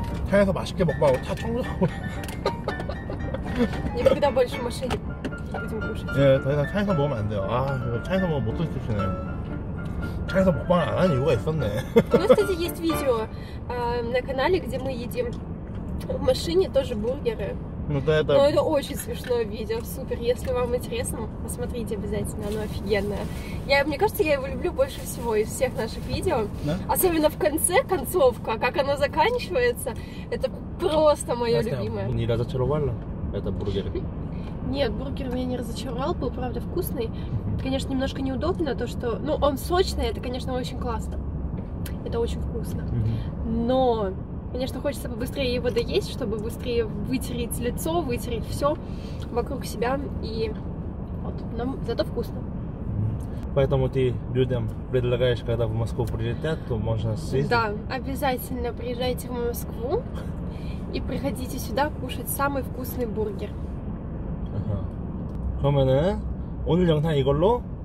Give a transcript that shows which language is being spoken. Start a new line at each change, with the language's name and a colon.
Korean: 차에서 맛있게 먹고 하고 차 청소하고 예쁘다 버리신 맛이 예쁘지 못 보셨죠? 예, 더 이상 차에서 먹으면 안 돼요. 아, 이거 차에서 먹으면 못 드시네. 차에서 먹방을 안 한 이유가 있었네. 그리고
Russian: есть видео на канале, где мы едим в машине тоже бургеры. Ну да, это. Но это очень смешное видео, супер. Если вам интересно, посмотрите обязательно, оно офигенное. Я, мне кажется, я его люблю больше всего из всех наших видео. Да? Особенно в конце концовка, как оно заканчивается, это просто мое любимое. Не разочаровало? Это бургер? Нет, бургер меня не разочаровал, был правда вкусный. Конечно, немножко неудобно то, что, ну, он сочный, это конечно очень классно. Это очень вкусно. Но мне что хочется побыстрее его доесть, чтобы быстрее вытереть лицо, вытереть все вокруг себя. И вот. Но зато вкусно. Поэтому ты людям предлагаешь, когда в Москву прилетят, то можно съесть? Да, обязательно приезжайте в Москву и приходите сюда кушать самый вкусный бургер. Ага.
Korean: 그러면은 오늘 영상 이걸로